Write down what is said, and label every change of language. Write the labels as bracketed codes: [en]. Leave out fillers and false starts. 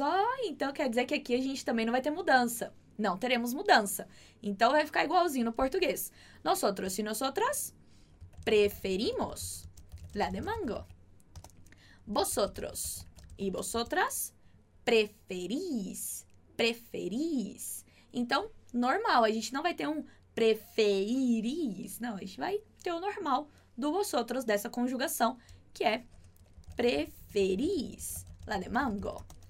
[pt] Oh, então quer dizer que aqui a gente também não vai ter mudança. Não teremos mudança. Então vai ficar igualzinho no português. [es] Nosotros y nosotras preferimos la de mango. Vosotros y vosotras preferís. Preferís. [pt] Então, normal. A gente não vai ter um preferís. Não, a gente vai ter o normal do vosotros dessa conjugação, que é [es] preferís la de mango.